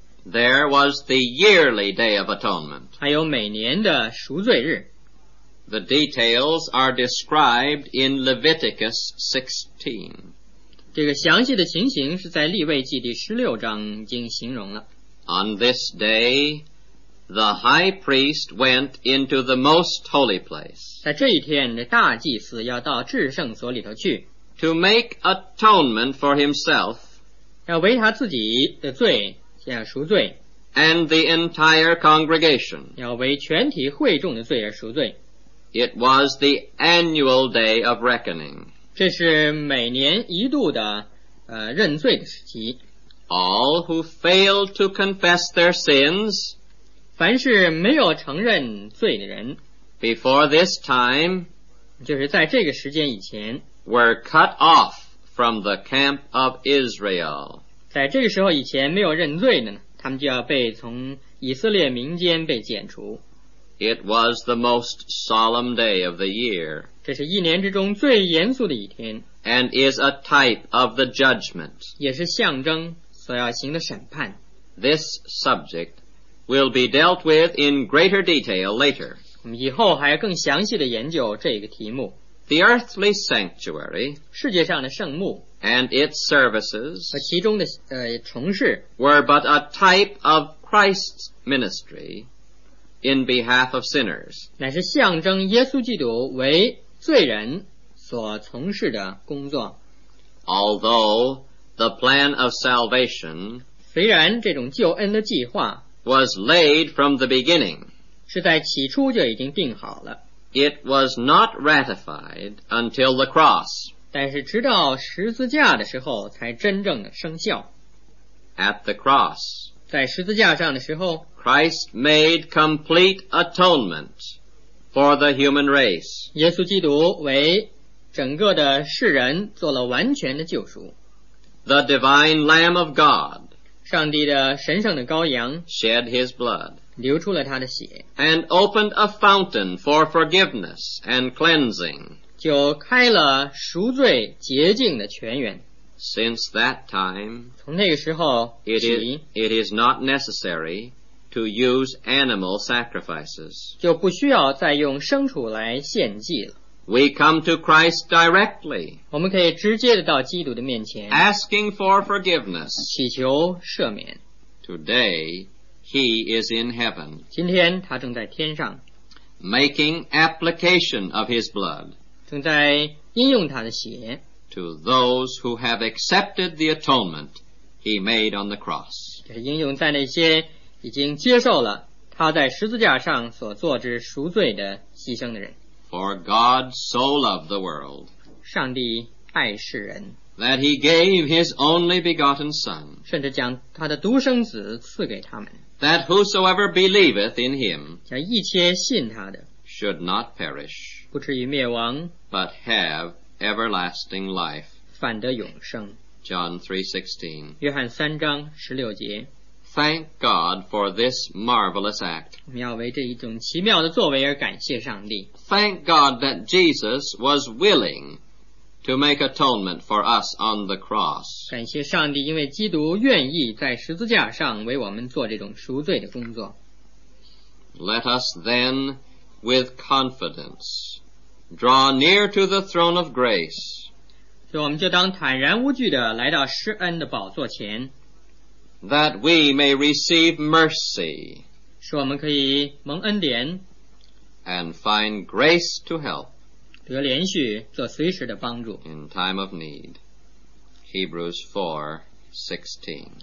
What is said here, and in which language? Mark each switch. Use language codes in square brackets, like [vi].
[en] there was the yearly day of atonement, [zh] 还有每年的赎罪日。 [en] The details are described in Leviticus 16. [zh] 这个详细的情形是在利未记第16章已经形容了。 [en] On this day, the high priest went into the most holy place. [zh] 在这一天，大祭司要到至圣所里头去。 [en] To make atonement for himself. [zh] 要为他自己的罪，要赎罪。 [en] And the entire congregation. [zh] 要为全体会众的罪而赎罪。 [en] It was the annual day of reckoning. [zh] 这是每年一度的认罪的时期。 [en] All who failed to confess their sins, [zh] 凡是没有承认罪的人， [en] before this time, [zh] 就是在这个时间以前， [en] were cut off from the camp of Israel. [zh] 在这个时候以前没有认罪的呢，他们就要被从以色列民间被剪除。 [en] It was the most solemn day of the year. [zh] 这是一年之中最严肃的一天。 [en] And is a type of the judgment. [zh] 也是象征所要行的审判。 [en] This subject will be dealt with in greater detail later. [zh] 我们以后还要更详细的研究这个题目。 [en] The earthly sanctuary. [zh] 世界上的圣墓。 [en] And its services. [zh] 和其中的程式。 [en] Were but a type of Christ's ministry. In behalf of sinners. [zh] 乃是象征耶稣基督为罪人所从事的工作。 [en] Although the plan of salvation. [zh] 虽然这种救恩的计划。 [en] Was laid from the beginning. [zh] 是在起初就已经定好了。 [en] It was not ratified until the cross. [zh] 但是直到十字架的时候才真正的生效。 [en] At the cross. [zh] 在十字架上的时候。 [en] Christ made complete atonement for the human race. [zh] 耶稣基督为整个的世人做了完全的救赎。 [en] The divine Lamb of God. [zh] 上帝的神圣的羔羊。 [en] Shed his blood. [zh] 流出了他的血。 [en] And opened a fountain for forgiveness and cleansing. [zh] 就开了赎罪洁净的泉源。 [en] Since that time, [zh] 从那个时候起, [en] it is not necessary to use animal sacrifices. [zh] 就不需要再用牲畜来献祭了。 [en] We come to Christ directly. [zh] 我们可以直接的到基督的面前, [en] asking for forgiveness. [zh] 祈求赦免。 [en] Today, he is in heaven. [zh] 今天他正在天上, [en] making application of his blood. [zh] 正在应用他的血。 [en] To those who have accepted the atonement he made on the cross. [zh] 这是应用在那些已经接受了他在十字架上所做之赎罪的牺牲的人。 [en] For God so loved the world. [zh] 上帝爱世人。 [en] That he gave his only begotten son. [zh] 甚至将他的独生子赐给他们。 [en] That whosoever believeth in him. [zh] 将一切信他的。 [en] Should not perish. [zh] 不至于灭亡。 [en] But have everlasting life. [zh] 反得永生。 [en] John 3:16. [zh] 约翰三章十六节。 [en] Thank God for this marvelous act. [zh] 我们要为这一种奇妙的作为而感谢上帝。 [en] Thank God that Jesus was willing to make atonement for us on the cross. [zh] 感谢上帝，因为基督愿意在十字架上为我们做这种赎罪的工作。 [en] Let us then with confidence draw near to the throne of grace. [zh] 所以我们就当坦然无惧地来到施恩的宝座前。 [en] That we may receive mercy. [zh] 使我们可以蒙恩典。 [en] And find grace to help. [zh] 得连续做随时的帮助。 [en] In time of need. Hebrews 4:16.